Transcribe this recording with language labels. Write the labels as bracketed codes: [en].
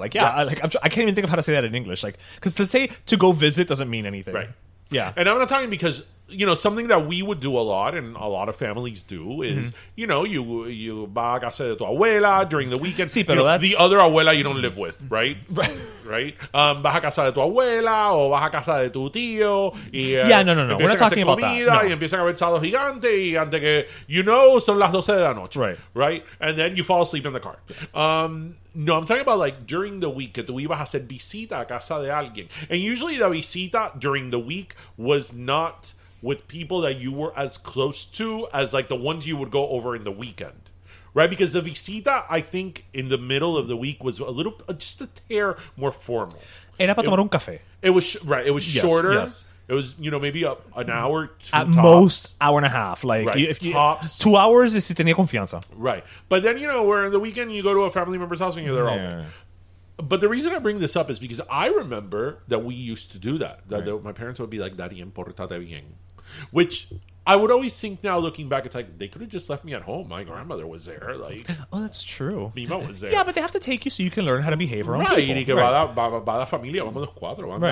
[en] Like I can't even think of how to say that in English. Like, because to say to go visit doesn't mean anything, right? Yeah, and I'm not talking because you know something that we would do a lot and a lot of families do is you know you [es] va a casa de tu abuela [en] during the weekend. [es] Sí, pero [en] you know, that's... the other abuela you don't live with, right? Right. [es] Va a casa de tu abuela o va a casa de tu tío. [en] No. We're not talking about that. [es] Y empiezan a ver sábado gigante y antes que [en] you know [es] son las 12 de la noche. [en] Right. Right. And then you fall asleep in the car. No, I'm talking about like during the week that we [es] ibas a hacer visita a casa de alguien. [en] And usually the visita during the week was not with people that you were as close to as like the ones you would go over in the weekend. Right? Because the visita, I think, in the middle of the week was a little, just a tear more formal. [es] Era para tomar un café. [en] It was shorter. Yes. It was, you know, maybe an hour, two at tops. Most, hour and a half. Like, right. If tops. 2 hours is [es] si tenía confianza. [en] Right. But then, you know, where in the weekend you go to a family member's house and you're there all day. But the reason I bring this up is because I remember that we used to do that. That my parents would be like, Daddy, [es] importate bien. [en] Which I would always think now, looking back, it's like, they could have just left me at home. My grandmother was there. Like, oh, that's true. Mima was there. Yeah, but they have to take you so you can learn how to behave around people. Right. [es] Y que va la familia, vamos los cuatro.